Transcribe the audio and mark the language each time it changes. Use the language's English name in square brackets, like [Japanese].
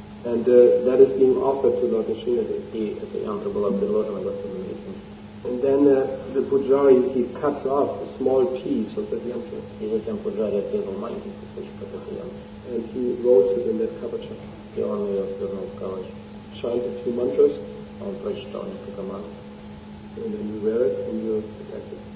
[English] And that is being offered to Lord Krishna. [Russian] И эта янтра была предложена Господу Вишну. [English] And then the pujari, he cuts off a small piece of that yantra. [Russian] И затем пуджари отрезал маленький кусочек от этой янтры. [English] And he rolls it in that kavacha. [Russian] И он ее свернул в кавачу. [English] Chants a few mantras. [Russian] Он прочитал несколько мантр. [English] And then you wear it and you're protected.